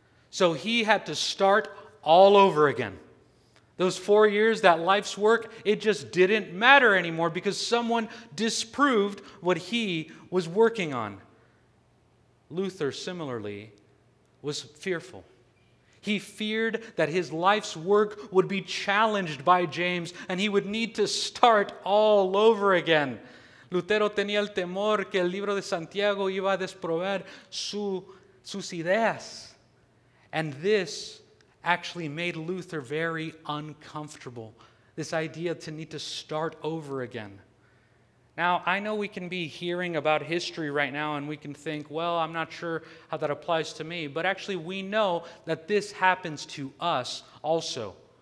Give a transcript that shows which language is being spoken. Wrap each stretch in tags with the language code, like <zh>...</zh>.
<en>So he had to start all over again. Those 4 years, that life's work, it just didn't matter anymore because someone disproved what he was working on. Luther, similarly, was fearful. He feared that his life's work would be challenged by James and he would need to start all over again.</en> <es>Lutero tenía el temor que el libro de Santiago iba a desprobar sus ideas.</es> <en>And this actually made Luther very uncomfortable, this idea to need to start over again. Now, I know we can be hearing about history right now and we can think, well, I'm not sure how that applies to me, but actually we know that this happens to us also.</en>